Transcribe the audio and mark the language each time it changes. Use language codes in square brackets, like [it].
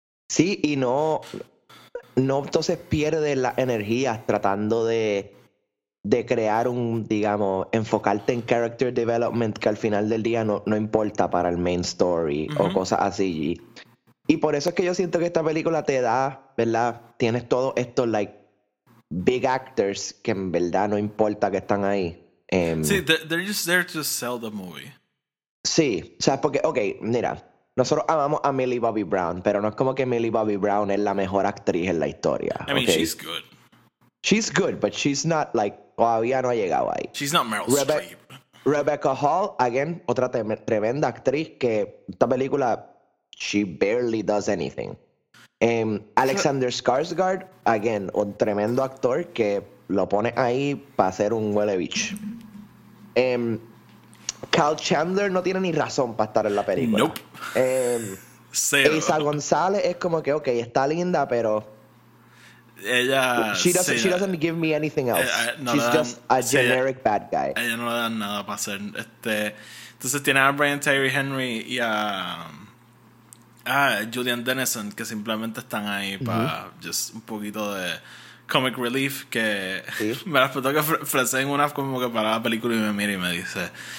[es] Sí, y no entonces pierde la energía tratando de crear un, digamos, enfocarte en [en] character development [es] que al final del día no importa para el [en] main story [es] uh-huh. o cosas así. Y por eso es que yo siento que esta película te da, ¿verdad? Tienes todos estos, like, [en] big actors [es] que en verdad no importa que están ahí. [en] Sí, they're just there to sell the movie. [es] Sí, o sea, porque, ok, mira... Nosotros amamos a Millie Bobby Brown, pero no es como que Millie Bobby Brown es la mejor actriz en la historia. [en] I mean, okay? She's good. She's good, but she's not, like, [es] todavía no ha llegado ahí. [en] She's not Meryl Streep. [es] Rebecca Hall, again, otra tremenda actriz que esta película, [en] she barely does anything. [es] Alexander Skarsgård, again, un tremendo actor que lo pone ahí para hacer un huele bicho. Kyle Chandler no tiene ni razón para estar en la película. [en] Nope. [es] Cero. Isa González es como que, ok, está linda, pero... Ella... [en] She doesn't give me anything else. She's just a generic bad guy. [es] Ella no le dan nada para hacer... Entonces tiene a Brian Tyree Henry y a Julian Dennison, que simplemente están ahí para mm-hmm. just un poquito de... Comic Relief, que ¿sí? me las puso que ofrecen una como que para la película y me mira y me dice...